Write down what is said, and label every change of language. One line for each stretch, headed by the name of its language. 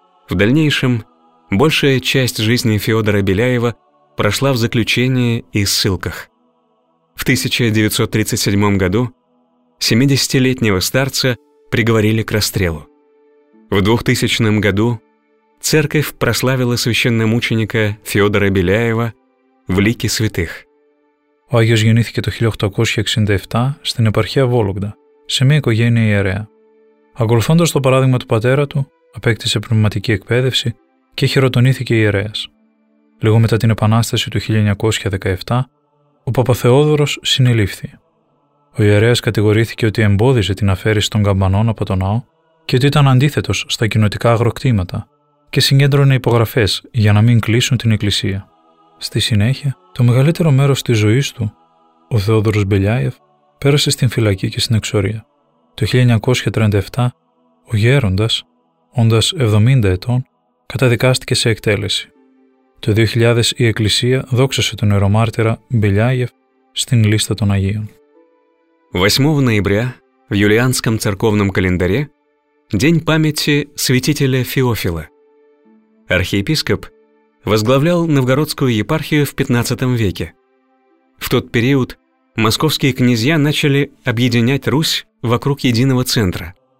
Russian: В дальнейшем большая часть жизни Фёдора Беляева прошла в заключении и ссылках. В 1937 году 70-летнего старца приговорили к расстрелу. В 2000 году церковь прославила священномученика Фёдора Беляева в лике святых.
Greek: Ο Άγιος γεννήθηκε το 1867 στην επαρχία Βόλογδα, σε μια οικογένεια ιερέα. Ακολουθώντας το παράδειγμα του πατέρα του, απέκτησε πνευματική εκπαίδευση και χειροτονήθηκε ιερέας. Λίγο μετά την Επανάσταση του 1917, ο Παπαθεόδωρος συνελήφθη. Ο ιερέας κατηγορήθηκε ότι εμπόδιζε την αφαίρεση των καμπανών από τον ναό και ότι ήταν αντίθετος στα κοινοτικά αγροκτήματα και συγκέντρωνε υπογραφές για να μην κλείσουν την εκκλησία. Στη συνέχεια, το μεγαλύτερο μέρος της ζωής του, ο Θεόδωρος Μπελιάεφ, πέρασε στην φυλακή και στην εξορία. Το 1937, ο γέροντας, όντας 70 ετών, καταδικάστηκε σε εκτέλεση. Το 2000 η Εκκλησία δόξασε τον ιερομάρτυρα Μπελιάγεφ στην λίστα των Αγίων.
Russian: 8 ноября в юлианском церковном календаре – день памяти святителя Феофила. Архиепископ возглавлял новгородскую епархию в 15 веке. В тот период московские князья начали объединять Русь вокруг единого центра.